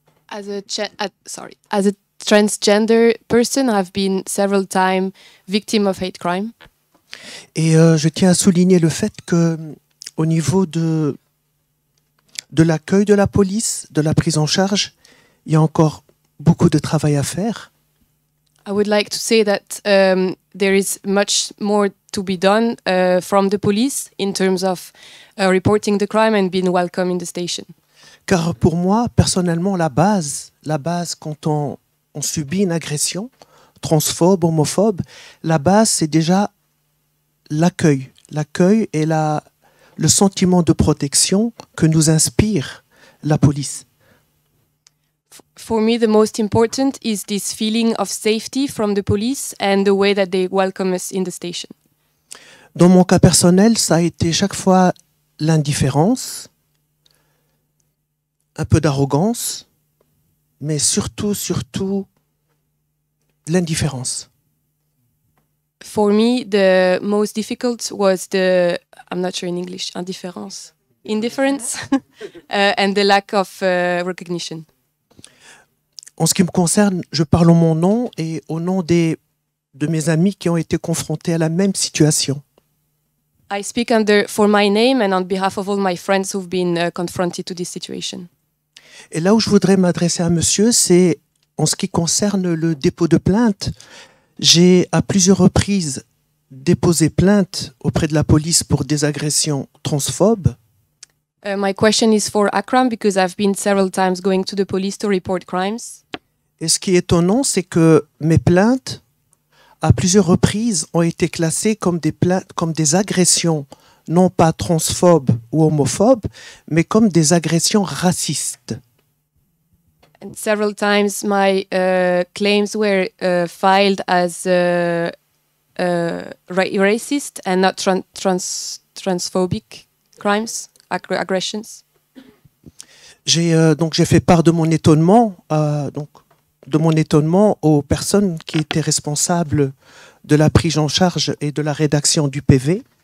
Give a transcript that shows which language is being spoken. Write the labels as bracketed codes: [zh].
[en] As a transgender person, I've been several times victim of hate crime. [fr] Et je tiens à souligner le fait que au niveau de l'accueil de la police, de la prise en charge, il y a encore beaucoup de travail à faire. [en] I would like to say that there is much more to be done from the police in terms of reporting the crime and being welcome in the station. [fr] Car pour moi, personnellement, la base quand on subit une agression, transphobe, homophobe, la base c'est déjà l'accueil et le sentiment de protection que nous inspire la police. [en] For me, the most important is this feeling of safety from the police and the way that they welcome us in the station. [fr] Dans mon cas personnel, ça a été chaque fois l'indifférence, un peu d'arrogance, mais surtout l'indifférence. [en] For me, the most difficult was the, I'm not sure in English, indifference, and the lack of recognition. [fr] En ce qui me concerne, je parle en mon nom et au nom de mes amis qui ont été confrontés à la même situation. [en] I speak for my name and on behalf of all my friends who've been confronted to this situation. [fr] Et là où je voudrais m'adresser à monsieur, c'est en ce qui concerne le dépôt de plainte. J'ai à plusieurs reprises déposé plainte auprès de la police pour des agressions transphobes. [en] My question is for Akram because I've been several times going to the police to report crimes. [fr] Et ce qui est étonnant, c'est que mes plaintes, à plusieurs reprises, ont été classées comme des plaintes, comme des agressions, non pas transphobes ou homophobes, mais comme des agressions racistes. [en] And several times, my claims were filed as racist and not transphobic crimes. Aggressions. [fr] J'ai fait part de mon étonnement, aux personnes qui étaient responsables de la prise en charge et de la rédaction du PV.